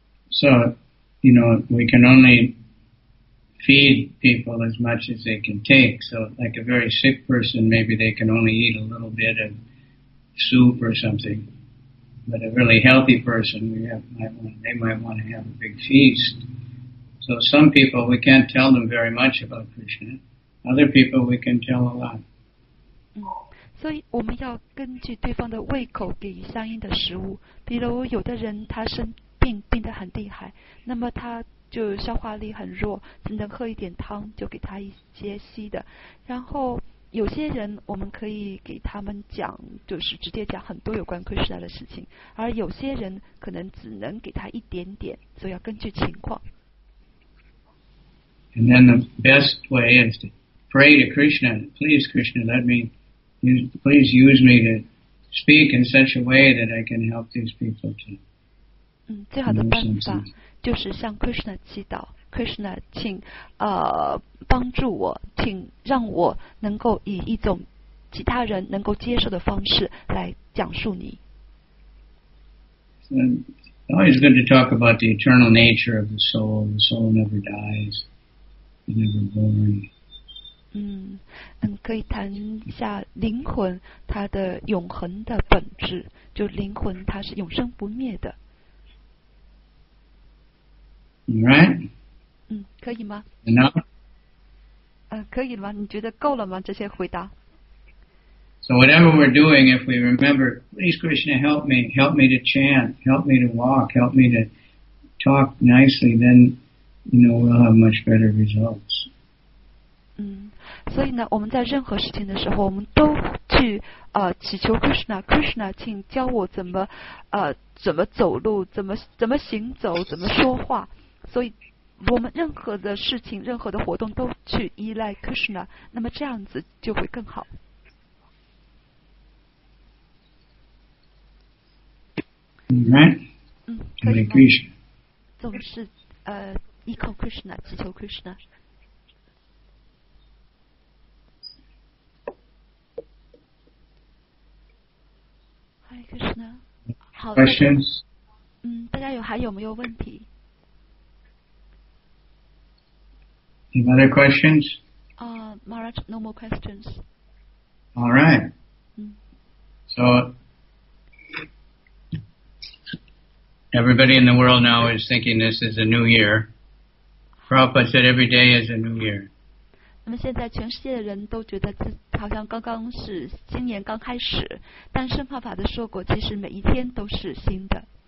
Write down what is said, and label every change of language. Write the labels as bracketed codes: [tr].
[en] So, we can only feed people as much as they can take. So, like a very sick person, maybe they can only eat a little bit of soup or something. But a really healthy person, they might want to have a big feast. So some people, we can't tell them very much about Krishna. Other people, we can tell a lot. [zh] 所以我们要根据对方的胃口给予相应的食物。比如有的人他生病，病得很厉害，那么他就消化力很弱，只能喝一点汤，就给他一些稀的。然后有些人我们可以给他们讲，就是直接讲很多有关 Krishna 的事情，而有些人可能只能给他一点点，所以要根据情况。 [en] And then the best way is to pray to Krishna, please Krishna, please use me to speak in such a way that I can help these people to. [zh] 最好的办法就是向 Krishna 祈祷。Krishna， 请帮助我，请让我能够以一种其他人能够接受的方式来讲述你。 [en] It's always good to talk about the eternal nature of the soul never dies, never born. [zh] 可以谈一下灵魂它的永恒的本质，就灵魂它是永生不灭的。 [en] Right? [zh] 可以吗？ [en] Enough? [zh] 可以吗？你觉得够了吗？这些回答。 [en] So whatever we're doing, if we remember, please Krishna help me to chant, help me to walk, help me to talk nicely, then, you know, we'll have much better results. [zh] 所以呢，我们在任何事情的时候，我们都去祈求 Krishna, 请教我怎么走路，怎么行走，怎么说话。所以我们任何的事情，任何的活动都去依赖 Krishna, 那么这样子就会更好。 [en] Right. [zh] Hare Krishna. 总是依靠 Krishna, 祈求 Krishna. Hare Krishna. 好的。 [en] Questions. [zh] 大家还有没有问题？ [en] Any other questions? Maharaj, no more questions. All right. So. Everybody in the world now is thinking this is a new year. Prabhupada said every day is a new year. [zh] 那么现在全世界的人都觉得这好像刚刚是新年刚开始，但圣帕法的说过，其实每一天都是新的。